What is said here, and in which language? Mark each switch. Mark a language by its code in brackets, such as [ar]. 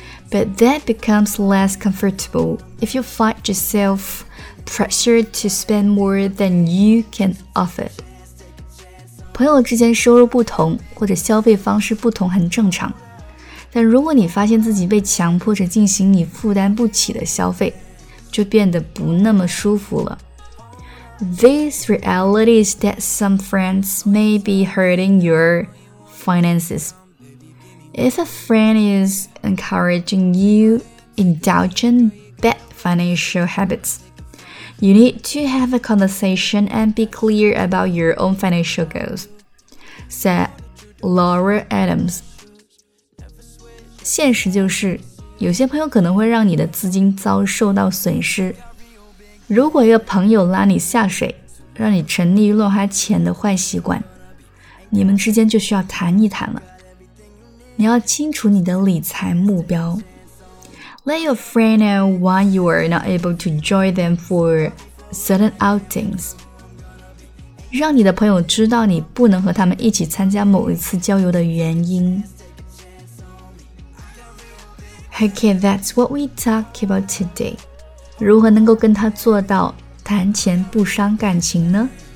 [en] But that becomes less comfortable if you find yourself pressured to spend more than you can afford. [zh] 朋友之间收入不同或者消费方式不同很正常，但如果你发现自己被强迫着进行你负担不起的消费，就变得不那么舒服了。 [en] This reality is that some friends may be hurting your finances. If a friend is encouraging you indulging bad financial habits, you need to have a conversation and be clear about your own financial goals, said Laura Adams. [zh] 现实就是有些朋友可能会让你的资金遭受到损失。如果一个朋友拉你下水，让你沉溺于乱花钱的坏习惯，你们之间就需要谈一谈了。你要清楚你的理财目标。 [en] Let your friend know why you are not able to join them for certain outings. [zh] 让你的朋友知道你不能和他们一起参加某一次郊游的原因。 [en] Okay, that's what we talk about today. [zh] 如何能够跟他做到谈钱不伤感情呢？